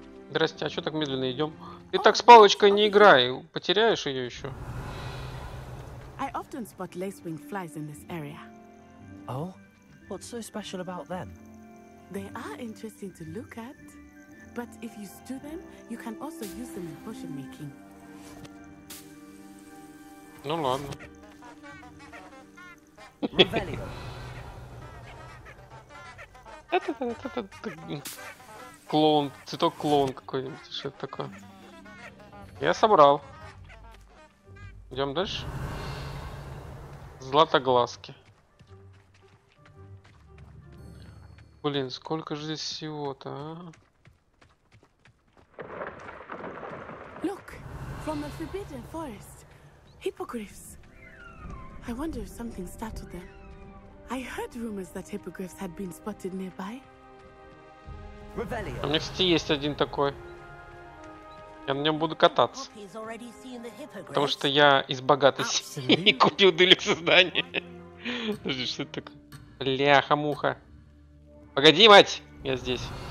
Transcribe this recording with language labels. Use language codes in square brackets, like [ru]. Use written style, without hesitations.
[ru] Здрасте, а что так медленно идем? Ты так с палочкой не играй, потеряешь ее еще. [en] I often spot lacewing flies in this area. Oh, what's so special about them? They are interesting to look at, but if you stew them, you can also use them in potion making. [ru] Ну ладно. Это клоун, цветок клоун какой-нибудь, что это такое? Я собрал. Идем дальше. Златоглазки. Блин, сколько же здесь всего-то, а? [en] Look, from the forbidden forest, hippogriffs. I wonder if something startled them. I heard rumors that hippogriffs had been spotted nearby. [ru] У меня, кстати, есть один такой. Я на нем буду кататься. Потому что я из богатой семьи и купил делюкс здание. Подожди, что это такое? Ляха-муха. Погоди, мать! Я здесь.